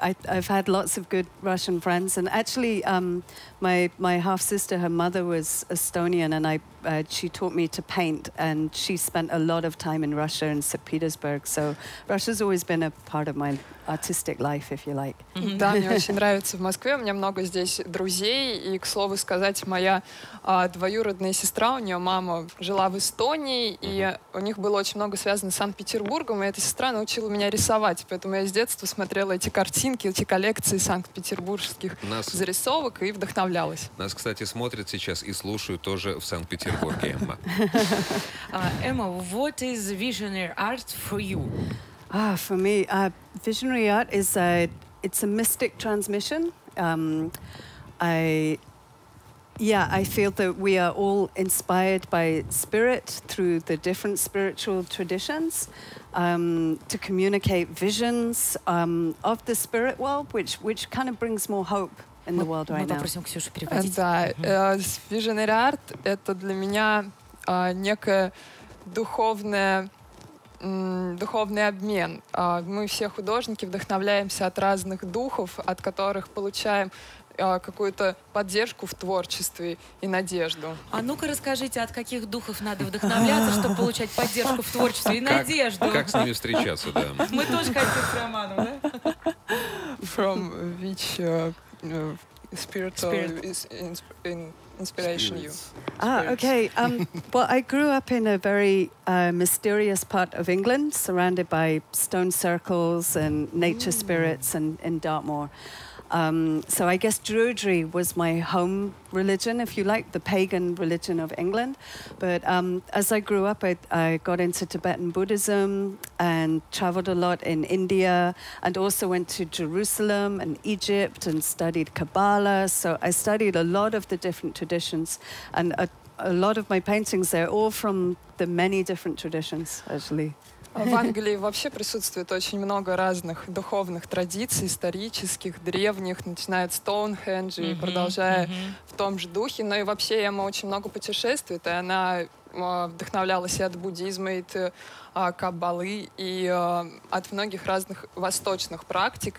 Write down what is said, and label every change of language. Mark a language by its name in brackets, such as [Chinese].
[English] I've had lots of good Russian friends. And actually, my half-sister, her mother was Estonian, and she taught me to paint. And she spent a lot of time in Russia, in St. Petersburg. So Russia's always been a part of my artistic life, if you like. [Russian] Да, мне очень нравится в Москве. У меня много здесь друзей. И, к слову сказать, моя двоюродная сестра, у нее мама жила в Эстонии, и у них было очень много связано с Санкт-Петербургом. И эта сестра научила меня рисовать. Поэтому я с детства смотрела эти картинки, эти коллекции санкт-петербургских зарисовок и вдохновлялась. Нас, кстати, смотрят сейчас и слушают тоже в Санкт-Петербурге, Эмма. [English] Эмма, what is visionary art for you? For me, visionary art is it's a mystic transmission. I feel that we are all inspired by spirit through the different spiritual traditions to communicate visions of the spirit world, which kind of brings more hope in the world right now? [Russian] Мы попросим Ксюшу переводить. Да, [English] visionary art [Russian] — это для меня некое духовное... духовный обмен. Мы все художники вдохновляемся от разных духов, от которых получаем какую-то поддержку в творчестве и надежду. А ну-ка расскажите, от каких духов надо вдохновляться, чтобы получать поддержку в творчестве и надежду? Как с ними встречаться, да. Мы тоже хотим с Романом, да? [English] From which spiritual inspiration you. Ah, okay. Well, I grew up in a very mysterious part of England, surrounded by stone circles and nature spirits and in Dartmoor. So I guess Druidry was my home religion, if you like, the pagan religion of England. But as I grew up, I got into Tibetan Buddhism and traveled a lot in India and also went to Jerusalem and Egypt and studied Kabbalah. So I studied a lot of the different traditions and a lot of my paintings, they're all from the many different traditions, actually. [Russian] В Англии вообще присутствует очень много разных духовных традиций, исторических, древних, начиная от Стоунхенджа и продолжая в том же духе. Но и вообще Эмма очень много путешествует, и она вдохновлялась и от буддизма, и от каббалы, и от многих разных восточных практик.